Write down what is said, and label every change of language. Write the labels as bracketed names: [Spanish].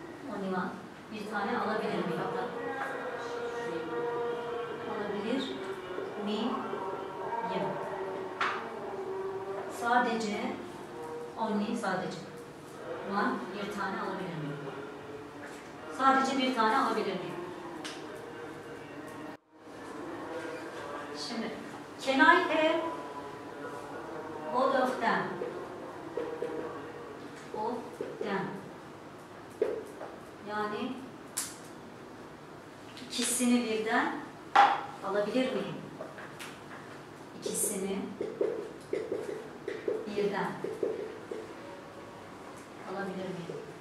[English] Only one. [Turkish] Bir tane alabilir miyim? Alabilir miyim? Sadece, only, sadece. One, bir tane alabilir miyim? Sadece bir tane alabilir miyim? [English] Şimdi, can I have both of them? Of them. [Turkish] Yani, ikisini birden alabilir miyim? İkisini birden alabilir miyim?